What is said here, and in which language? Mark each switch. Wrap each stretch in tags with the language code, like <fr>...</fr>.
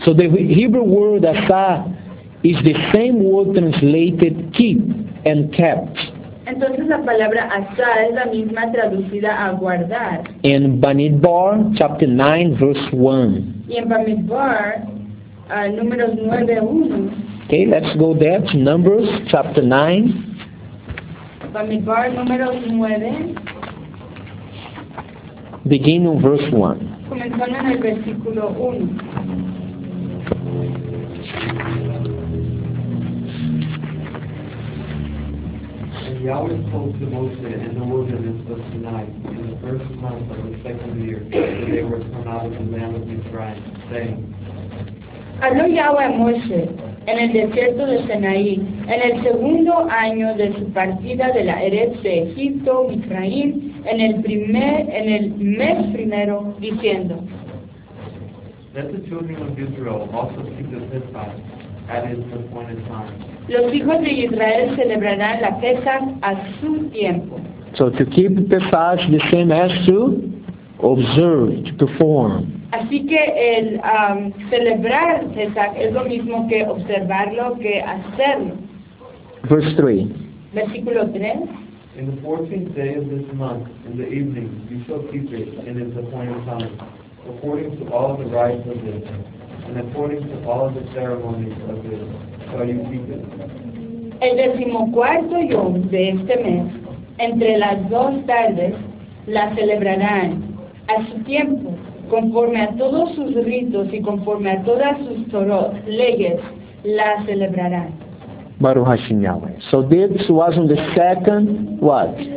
<en>So the Hebrew word asa is the same word translated keep and kept.</en> <es>Entonces la palabra asa es la misma traducida a guardar.</es> <en>In Bamidbar, chapter 9, verse 1.</en> <es>Y en Bamidbar, números 9:1.</es> <en>Okay, let's go there to Numbers, chapter 9.</en> <es>Bamidbar, números 9.</es> <en>Begin on verse 1.</en> <es>Comenzando en el versículo 1.</es> <en>Yahweh spoke to Moshe in the wilderness of Sinai in the first month of the second year that they were come out of the land of Mizraim, saying,</en> <es>Habló Yahweh a Moshe en el desierto de Sinaí, en el segundo año de su partida de la Eretz de Egipto, Mitzrayim, en el mes primero, diciendo:</es> <en>Let the children of Israel also keep the Pesach at its appointed time.</en> <es>Los hijos de Israel celebrarán la Pesach a su tiempo.</es> <en>So to keep the Pesach the same as to observe, to perform.</en> <es>Así que el celebrar Pesach es lo mismo que observarlo, que hacerlo.</es> <en>Verse 3.</en> <es>Versículo 3.</es> <en>In the 14th day of this month, in the evening, you shall keep it in its appointed time, according to all the rites of it, and according to all the ceremonies of it, shall you keep it.</en> <es>El 14th yom de este mes, entre las dos tardes, la celebrarán a su tiempo, conforme a todos sus ritos y conforme a todas sus torot, leyes, la celebrarán.</es> <he>Baruch Hashem Yahweh.</he> <en>So this was on the second, what?</en>